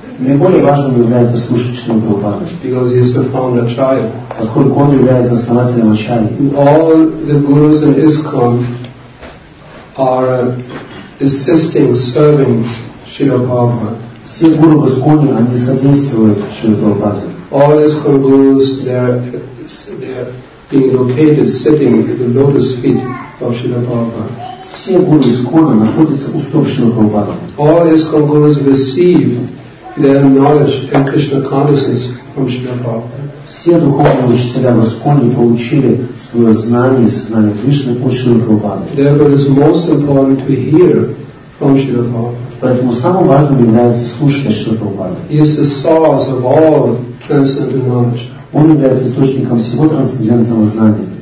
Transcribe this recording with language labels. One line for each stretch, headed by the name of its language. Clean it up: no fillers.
Russian: Наиболее важным является слушать Шрилу Прабхупаду.
English: Because he is the founder Acharya.
Russian: Поскольку он является основателем Ачарьи.
English: All the gurus in ISKCON are assisting, serving Shri Prabhupada.
Russian: Все гуру в ISKCON, они содействуют Шрилу Прабхупаде.
English: All ISKCON gurus, they are being located, sitting at the lotus feet of Shri Prabhupada.
Russian: Все гуру ISKCON находятся у стоп Шрилу Прабхупады.
English: All ISKCON gurus receive their knowledge and Krishna consciousness from Srila Prabhupada.
Russian: Все духовные учителя в ISKCON получили свое знание и сознание Кришны от Шрилы Прабхупады.
English: Therefore, it is most important to hear from Srila Prabhupada.
Russian: Поэтому самым важным является слушать Шрилу Прабхупады.
English: He is the source of all transcendental knowledge.
Russian: Он является источником всего трансцендентного знания.